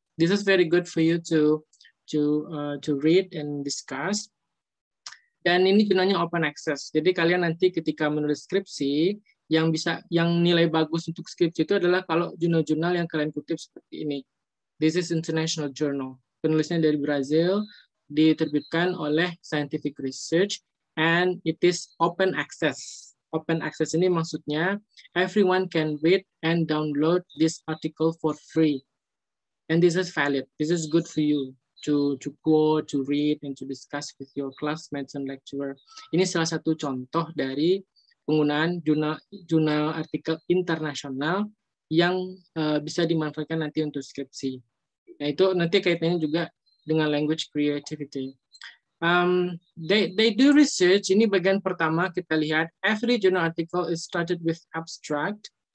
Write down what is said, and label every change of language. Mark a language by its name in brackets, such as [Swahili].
[English] This is very good for you to read and discuss. [Indonesian] Dan ini gunanya open access. Jadi kalian nanti ketika menulis skripsi, yang nilai bagus untuk skripsi itu adalah kalau jurnal-jurnal yang kalian kutip seperti ini. [English] This is International Journal. [Indonesian] Penulisnya dari Brazil, diterbitkan oleh Scientific Research, [English] and it is open access. Open access [Indonesian] ini maksudnya, [English] everyone can read and download this article for free. And this is valid. This is good for you. To quote, to read, and to discuss with your classmates and lecturer. [Indonesian] Ini salah satu contoh dari penggunaan jurnal artikel internasional yang bisa dimanfaatkan nanti untuk skripsi. Nah, itu nanti kaitannya juga dengan language creativity. [English] They do research. [Indonesian] Ini bagian pertama kita lihat. [English] Every journal article is started with abstract.